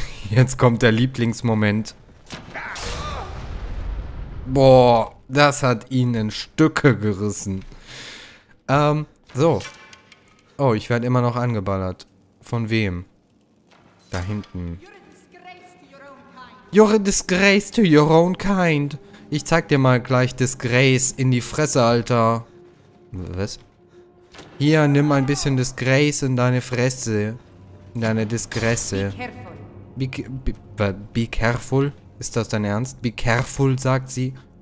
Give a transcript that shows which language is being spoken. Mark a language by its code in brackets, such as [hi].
[de] Jetzt kommt der Lieblingsmoment. Boah, das hat ihn in Stücke gerissen. So. Oh, ich werde immer noch angeballert. Von wem? Da hinten. [en] You're a disgrace to your own kind. [de] Ich zeig dir mal gleich Disgrace in die Fresse, Alter. Was? Hier, nimm ein bisschen Disgrace in deine Fresse. In deine Disgrace. [en] Be careful? [de] Ist das dein Ernst? [en] Be careful, [de] sagt sie.